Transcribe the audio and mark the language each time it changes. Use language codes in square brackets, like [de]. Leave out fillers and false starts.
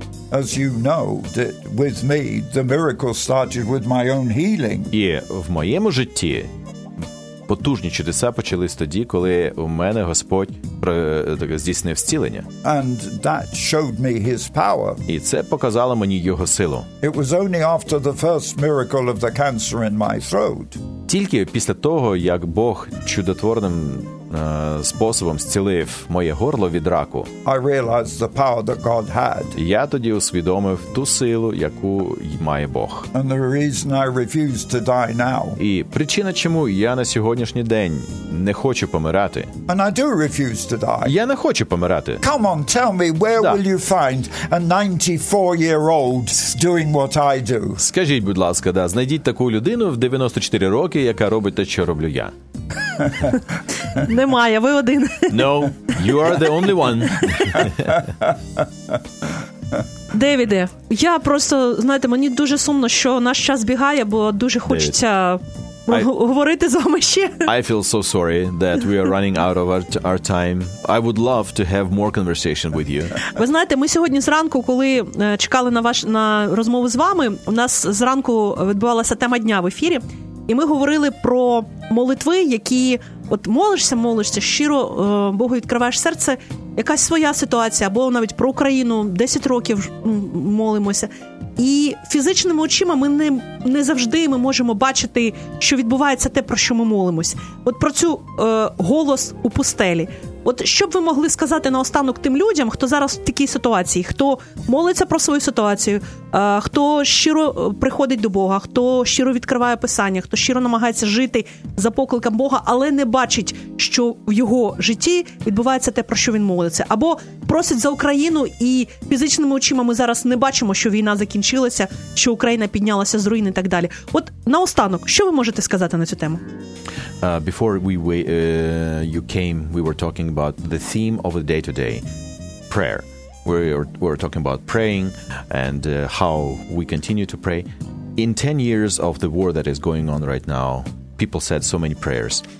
[en] As you know, that with me, the miracle started with my own healing. [uk] І в моєму житті потужні чудеса почались тоді, коли у мене Господь здійснив зцілення. [en] And that showed me his power. [uk] І це показало мені його силу. [en] It was only after the first miracle of the cancer in my throat. [uk] Тільки після того, як Бог чудотворним способом зцілив моє горло від раку, [en] I realized the power that God had. [uk] Я тоді усвідомив ту силу, яку має Бог. [en] And the reason I refuse to die now. [uk] І причина, чому я на сьогоднішній день не хочу помирати. [en] And I do refuse to die. [uk] Я не хочу помирати. [en] Come on, tell me, where will you find a 94-year-old doing what I do? [uk] Скажіть, будь ласка, да, знайдіть таку людину в 94 роки, яка робить те, що роблю я. Немає, ви один. [en] No, you are the only one. [uk] Девіде, я просто, знаєте, мені дуже сумно, що наш час бігає, бо дуже хочеться говорити з вами ще. [en] I feel so sorry that we are running out of our time. I would love to have more conversation with you. [uk] Ви знаєте, ми сьогодні зранку, коли чекали на розмову з вами, у нас зранку відбувалася тема дня в ефірі, і ми говорили про молитви, які от молишся, щиро Богу відкриваєш серце, якась своя ситуація, або навіть про Україну, 10 років молимося. І фізичними очима ми не завжди ми можемо бачити, що відбувається те, про що ми молимось. От про цю голос у пустелі. От що б ви могли сказати наостанок тим людям, хто зараз в такій ситуації, хто молиться про свою ситуацію, хто щиро приходить до Бога, хто щиро відкриває Писання, хто щиро намагається жити за покликом Бога, але не бачить, що в його житті відбувається те, про що він молиться. Або просить за Україну, і фізичними очима ми зараз не бачимо, що війна закінчилася, що Україна піднялася з руїн і так далі. От наостанок, що ви можете сказати на цю тему? [en] Before you came, we were talking about the theme of the day today, prayer. We were talking about praying and how we continue to pray. In 10 years of the war that is going on right now, people said so many prayers.